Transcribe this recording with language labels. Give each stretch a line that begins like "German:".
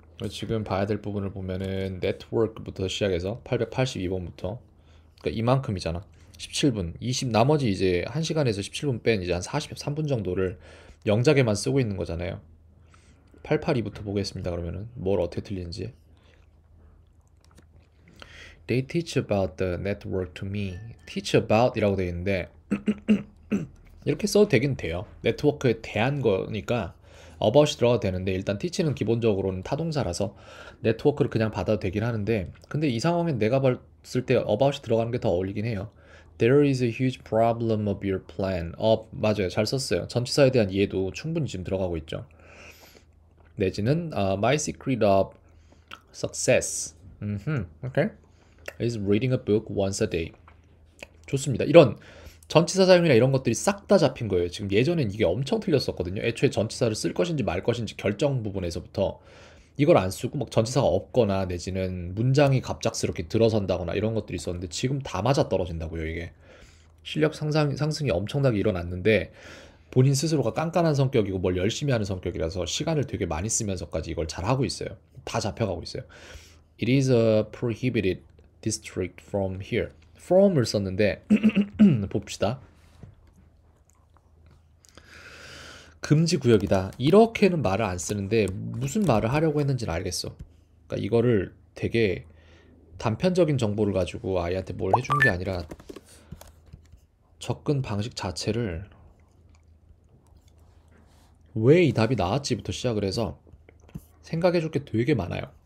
Korean: 지금 봐야 될 부분을 보면은 네트워크부터 시작해서 882번부터, 그러니까 이만큼이잖아. 17분, 20, 나머지 이제 1시간에서 17분 뺀 이제 한 43분 정도를 영작에만 쓰고 있는 거잖아요. 882부터 보겠습니다. 그러면은 뭘 어떻게 틀리는지.
English: They teach about the network to me. Teach about
Korean: 이라고 돼 있는데 이렇게 써도 되긴 돼요. 네트워크에 대한 거니까 about이 들어가도 되는데, 일단 teach는 기본적으로는 타동사라서 네트워크를 그냥 받아도 되긴 하는데, 근데 이 상황에 내가 봤을 때 about이 들어가는 게더 어울리긴 해요.
English: There is a huge problem of your plan.
Korean: 맞아요. 잘 썼어요. 전치사에 대한 이해도 충분히 지금 들어가고 있죠. 내지는
English: my secret of success.
Korean: 오케이.
English: Is reading a book once a day.
Korean: 좋습니다. 이런 전치사 사용이나 이런 것들이 싹다 잡힌 거예요. 지금 예전엔 이게 엄청 틀렸었거든요. 애초에 전치사를 쓸 것인지 말 것인지 결정 부분에서부터 이걸 안 쓰고 막 전치사가 없거나 내지는 문장이 갑작스럽게 들어선다거나 이런 것들이 있었는데, 지금 다 맞아떨어진다고요, 이게. 실력 상승이 엄청나게 일어났는데, 본인 스스로가 깐깐한 성격이고 뭘 열심히 하는 성격이라서 시간을 되게 많이 쓰면서까지 이걸 잘하고 있어요. 다 잡혀가고 있어요.
English: It is a prohibited district from here.
Korean: From을 썼는데 봅시다. 금지 구역이다. 이렇게는 말을 안 쓰는데 무슨 말을 하려고 했는지는 알겠어. 그러니까 이거를 되게 단편적인 정보를 가지고 아이한테 뭘 해준 게 아니라 접근 방식 자체를 왜이 답이 나왔지부터 시작을 해서 생각해 줄게 되게 많아요.